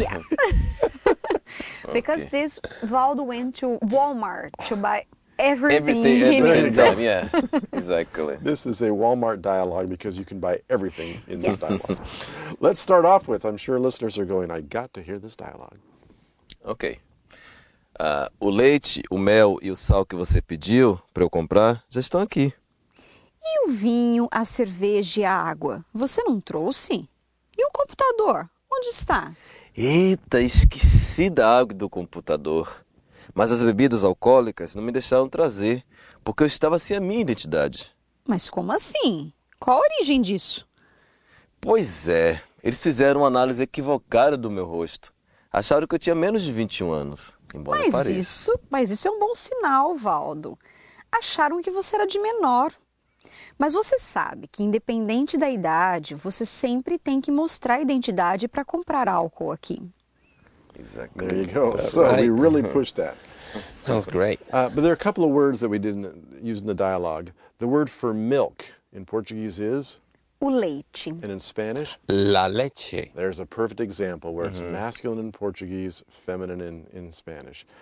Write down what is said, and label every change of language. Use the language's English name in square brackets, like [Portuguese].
[English] Yeah. Because okay. This Valdo went to Walmart to buy everything. Everything at the same time, yeah. Exactly. This is a Walmart dialogue because you can buy everything in this dialogue. Let's start off with, I'm sure listeners are going, I got to hear this dialogue. Okay. [Portuguese] O leite, o mel e o sal que você pediu para eu comprar já estão aqui. E o vinho, a cerveja e a água, você não trouxe? E o computador, onde está? Eita, esqueci da água do computador. Mas as bebidas alcoólicas não me deixaram trazer, porque eu estava sem a minha identidade. Mas como assim? Qual a origem disso? Pois é, eles fizeram uma análise equivocada do meu rosto. Acharam que eu tinha menos de 21 anos, embora pareça. Mas isso é um bom sinal, Valdo. Acharam que você era de menor. Mas você sabe que, independente da idade, você sempre tem que mostrar a identidade para comprar álcool aqui. [English] Exactly. There you go. So we really pushed that. Sounds great. But there are a couple of words that we didn't use in the dialogue. The word for milk in Portuguese is? [Portuguese] O leite. [English] And in Spanish? [Spanish] La leche. [English] There's a perfect example where it's masculine in Portuguese, feminine in Spanish.